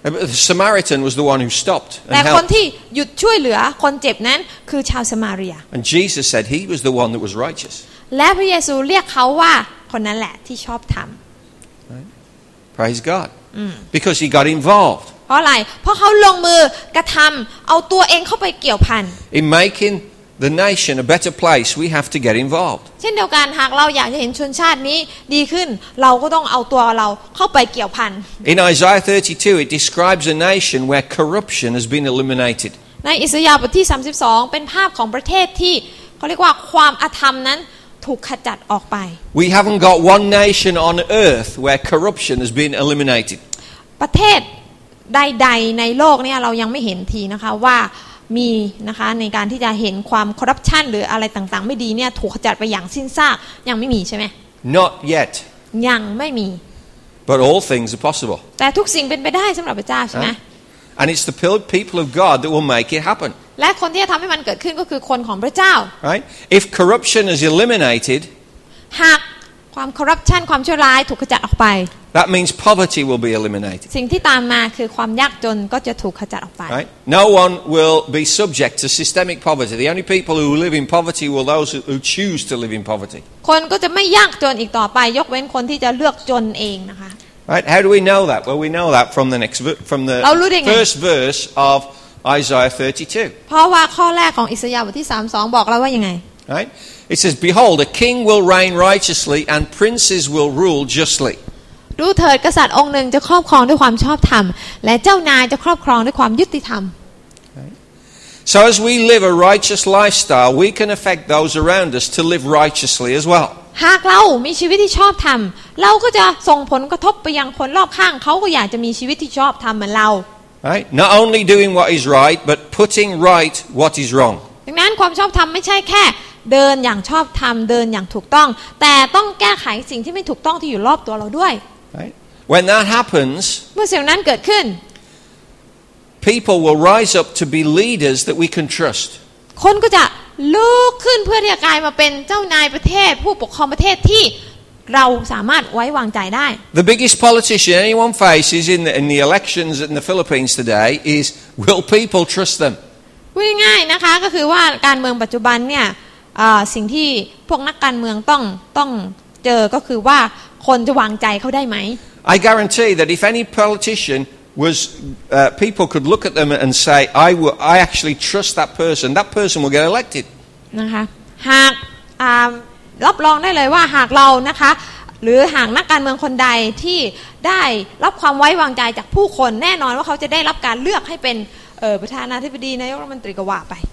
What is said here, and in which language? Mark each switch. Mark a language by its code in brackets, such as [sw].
[en] The Samaritan was the one who stopped and helped. [th] แต่คนที่หยุดช่วยเหลือคนเจ็บนั้นคือชาวซามาเรีย [en] And Jesus said he was the one that was righteous. [th] และพระเยซูเรียกเขาว่าคนนั้นแหละที่ชอบธรรม [en] Praise God. Because he got involved. [th] เพราะอะไรเพราะเขาลงมือกระทำเอาตัวเองเข้าไปเกี่ยวพัน [en] In making the nation a better place, we have to get involved. [th] เช่นเดียวกันหากเราอยากจะเห็นชนชาตินี้ดีขึ้นเราก็ต้องเอาตัวเราเข้าไปเกี่ยวพัน [en] In Isaiah 32, it describes a nation where corruption has been eliminated. [th] ในอิสยาห์บทที่32เป็นภาพของประเทศที่เขาเรียกว่าความอธรรมนั้นถูกขจัดออกไป [en] We haven't got one nation on earth where corruption has been eliminated. [th] ประเทศใดๆในโลกเนี่ยเรายังไม่เห็นทีนะคะว่ามีนะคะในการที่จะเห็นความคอร์รัปชันหรืออะไรต่างๆไม่ดีเนี่ยถูกขจัดไปอย่างสิ้นซากยังไม่มีใช่ไหม [en] Not yet [th] ยังไม่มี [en] But all things are possible [th] แต่ทุกสิ่งเป็นไปได้สำหรับพระเจ้าใช่ไหม [en] And it's the people of God that will make it happen [th] และคนที่จะทำให้มันเกิดขึ้นก็คือคนของพระเจ้า [en] Right If corruption is eliminated [th] หากความคอร์รัปชันความชั่วร้ายถูกขจัดออกไป [en] That means poverty will be eliminated. [th] สิ่งที่ตามมาคือความยากจนก็จะถูกขจัดออกไป [en] Right? No one will be subject to systemic poverty. The only people who live in poverty will those who choose to live in poverty. [th] คนก็จะไม่ยากจนอีกต่อไปยกเว้นคนที่จะเลือกจนเองนะคะ [en] Right? How do we know that? Well, we know that from the next from the first verse of Isaiah 32. [th] เพราะว่าข้อแรกของอิสยาห์บทที่32บอกเราว่ายังไง [en] Right? It says, "Behold, a king will reign righteously, and princes will rule justly." [th] ดูเถิดกษัตริย์องค์หนึ่งจะครอบครองด้วยความชอบธรรมและเจ้านายจะครอบครองด้วยความยุติธรรม [en] So as we live a righteous lifestyle we can affect those around us to live righteously as well [th] หากเรามีชีวิตที่ชอบธรรมเราก็จะส่งผลกระทบไปยังคนรอบข้างเขาก็อยากจะมีชีวิตที่ชอบธรรมเหมือนเรา [en] Right not only doing what is right but putting right what is wrong [th] ดังนั้นความชอบธรรมไม่ใช่แค่เดินอย่างชอบธรรมเดินอย่างถูกต้องแต่ต้องแก้ไขสิ่งที่ไม่ถูกต้องที่อยู่รอบตัวเราด้วย [en] Right? When that happens, [th] เมื่อสิ่งนั้นเกิดขึ้น [en] people will rise up to be leaders that we can trust. [th] คนก็จะลุกขึ้นเพื่อที่จะกลายมาเป็นเจ้านายประเทศผู้ปกครองประเทศที่เราสามารถไว้วางใจได้ [en] The biggest politician anyone faces in the elections in the Philippines today is will people trust them? [th] พูดง่ายๆนะคะก็คือว่าการเมืองปัจจุบันเนี่ยสิ่งที่พวกนักการเมืองต้องเจอก็คือว่าคนจะวางใจเขาได้ไหม [en] I guarantee that if any politician was people could look at them and say I actually trust that person will get elected [th] นะคะหาก รับรองได้เลยว่าหากเรานะคะหรือหากนักการเมืองคนใดที่ได้รับความไว้วางใจจากผู้คนแน่นอนว่าเขาจะได้รับการเลือกให้เป็นประธานาธิบดีนายกรัฐมนตรีก็ว่าไป